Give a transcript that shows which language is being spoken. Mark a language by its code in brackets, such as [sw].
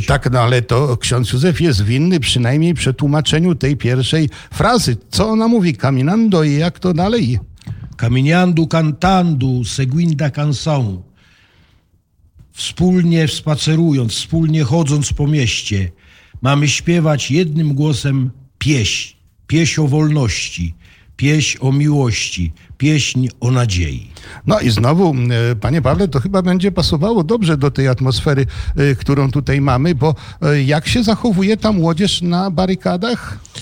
[pl] Tak, no ale to ksiądz Józef jest winny przynajmniej przetłumaczeniu tej pierwszej frazy. Co ona mówi? [pt] Caminando, [pl] i jak to dalej? [pt] Caminando, cantando, seguinda canção. [pl] Wspólnie spacerując, wspólnie chodząc po mieście, mamy śpiewać jednym głosem pieśń. Pieśń o wolności, pieśń o miłości, pieśń o nadziei. No i znowu, panie Pawle, to chyba będzie pasowało dobrze do tej atmosfery, którą tutaj mamy, bo jak się zachowuje ta młodzież na barykadach?